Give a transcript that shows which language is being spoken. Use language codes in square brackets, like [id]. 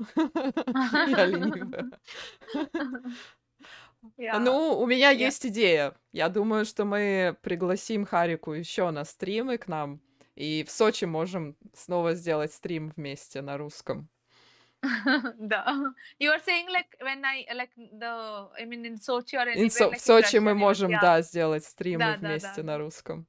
[ru] Я ленивая. Ну, у меня есть идея. Я думаю, что мы пригласим Харику еще на стримы к нам. И в Сочи можем снова сделать стрим вместе на русском. Да. [en] You are saying, like, when I, like, the, I mean, in Sochi or anywhere, [ru] в Сочи мы можем, да, сделать стримы вместе на русском.